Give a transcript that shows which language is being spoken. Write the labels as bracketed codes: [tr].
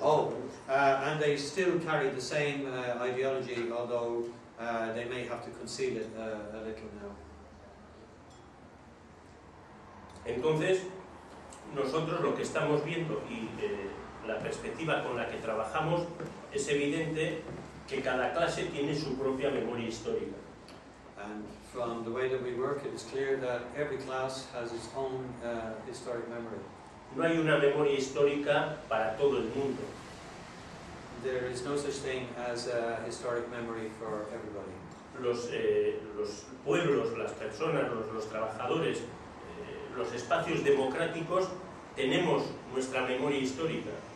[en] oh, and they still carry the same ideology, although they may have to conceal it a little now. [es] Entonces, nosotros lo que estamos viendo y la perspectiva con la que trabajamos es evidente, que cada clase tiene su propia memoria histórica. [en] And from the way that we work, it is clear that every class has its own historic memory. [es] No hay una memoria histórica para todo el mundo. [en] There is no such thing as a historic memory for everybody. [es] Los pueblos, las personas, los trabajadores, los espacios democráticos, tenemos nuestra memoria histórica.